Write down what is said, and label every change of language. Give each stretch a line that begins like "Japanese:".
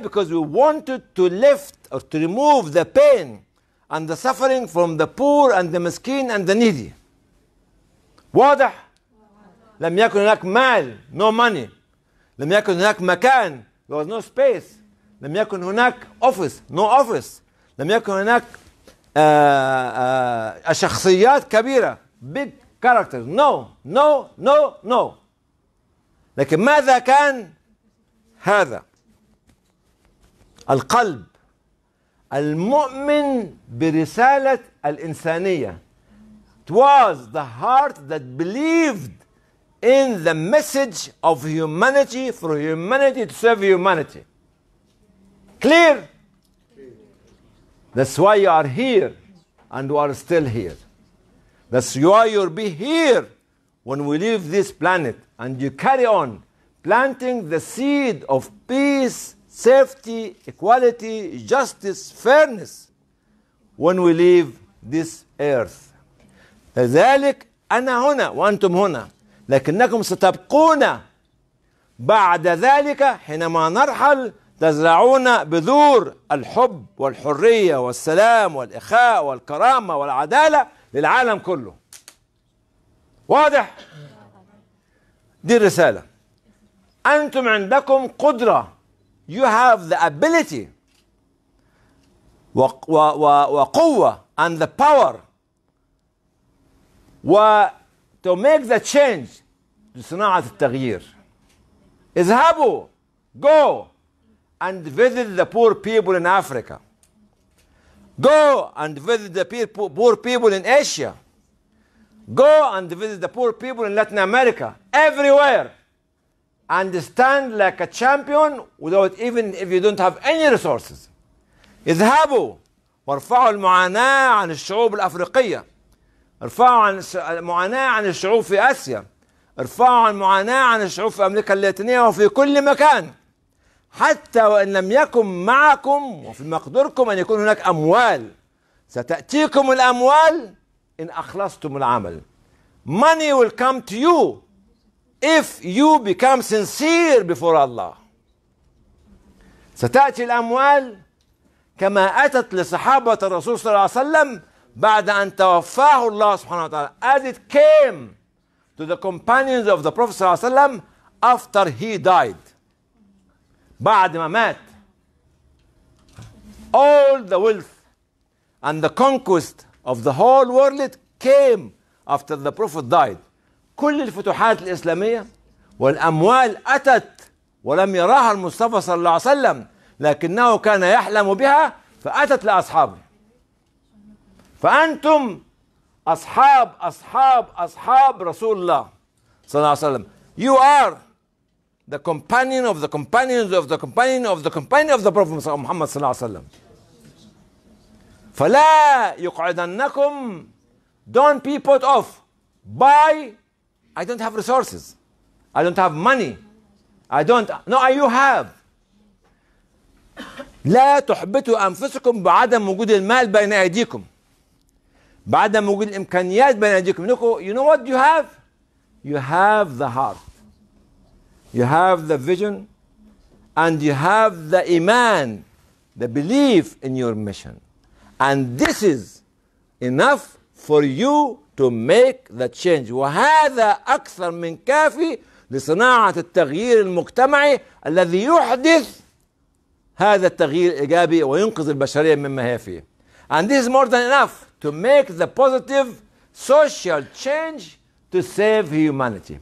English: Because we wanted to lift or to remove the pain and the suffering from the poor and the مسكين and the needy.
Arabic: واضح؟ لم يكن هناك مال,
English: no money.
Arabic: لم يكن هناك مكان,
English: there was no space.
Arabic: لم يكن هناك office,
English: no office.
Arabic: لم يكن هناك شخصيات كبيرة,
English: big characters, no, no, no, no.
Arabic: لكن ماذا كان هذا؟ القلب المؤمن برسالة الإنسانية.
English: It was the heart that believed in the message of humanity for humanity to serve humanity. Clear? That's why you are here and you are still here. That's why you'll be here when we leave this planet and you carry on planting the seed of peace, safety, equality, justice, fairness when we leave this earth.
Arabic: لذلك أنا هنا وأنتم هنا لكنكم ستبقون بعد ذلك حينما نرحل تزرعون بذور الحب والحرية والسلام والإخاء والكرامة والعدالة للعالم كله. واضح؟ دي الرسالة. أنتم عندكم قدرة.
English: You have the ability
Arabic: وقوة
English: and the power to make the change
Arabic: لصناعة التغيير. اذهبوا.
English: Go and visit the poor people in Africa. Go and visit the poor people in Asia. Go and visit the poor people in Latin America. Everywhere. And stand like a champion without even if you don't have any resources.
Arabic: اذهبوا وارفعوا المعاناة عن الشعوب الأفريقية. ارفعوا عن المعاناة عن الشعوب في آسيا. ارفعوا عن المعاناة عن الشعوب في أمريكا اللاتينية وفي كل مكان. حتى وإن لم يكن معكم وفي مقدوركم أن يكون هناك أموال, ستأتيكم الأموال إن أخلصتم العمل.
English: Money will come to you if you become sincere before Allah.
Arabic: ستأتي الأموال كما أتت لصحابة الرسول صلى الله عليه وسلم بعد أن توفاه الله سبحانه وتعالى.
English: As it came to the companions of the Prophet
Arabic: صلى الله عليه وسلم
English: after he died.
Arabic: بعد ما مات,
English: all the wealth and the conquest of the whole world came after the Prophet died.
Arabic: كل الفتوحات الإسلامية والأموال أتت ولم يراها المصطفى صلى الله عليه وسلم لكنه كان يحلم بها فأتت لأصحابه. فأنتم أصحاب أصحاب أصحاب رسول الله صلى الله عليه وسلم.
English: You are the companion of the companions of the companion of the companion of the Prophet Muhammad sallallahu alaihi wasallam.
Arabic: فلا يقعدنكم,
English: don't be put off by I don't have resources, I don't have money, I don't, no, you have.
Arabic: لا تحبطوا أنفسكم بعدم وجود المال بين أيديكم,
English: بعدم وجود الإمكانيات بين أيديكم. You know what you have? You have the heart. You have the vision and you have the iman, the belief in your mission. And this is enough for you to make the change.
Arabic: وهذا أكثر من كافي لصناعة التغيير المجتمعي الذي يحدث هذا التغيير إيجابي وينقذ البشرية مما هي فيه.
English: And this is more than enough to make the positive social change to save humanity.